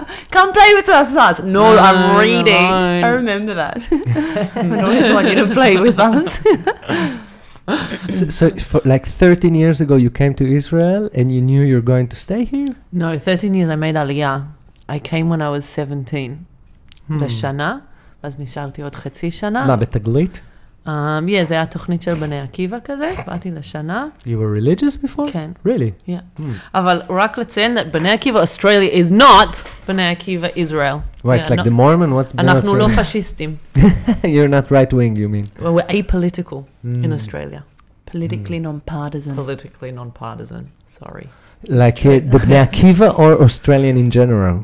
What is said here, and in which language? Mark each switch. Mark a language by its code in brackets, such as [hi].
[en] Come play with us. No, I'm reading. I remember that. I always want you to play with us. So for like 13 years ago you came to Israel and you knew you're going to stay here? No, 13 years I made Aliyah. I came when I was 17. [he] בשנה, ואז נשארתי עוד חצי שנה. מה, בתגלית? Yeah, זה היה תוכנית של בני עקיבא כזה, באתי לשנה. [en] You were religious before? [he] כן. [en] Really? Yeah. [he] אבל רק לציין that בני עקיבא Australia is not בני עקיבא Israel. [en] Right, like the Mormon, what's [he] בני עקיבא? אנחנו לא פשיסטים. [en] You're not right wing, you mean? Well, we're apolitical in Australia. Politically non-partisan. Politically non-partisan, sorry. Like the בני עקיבא or Australian in general?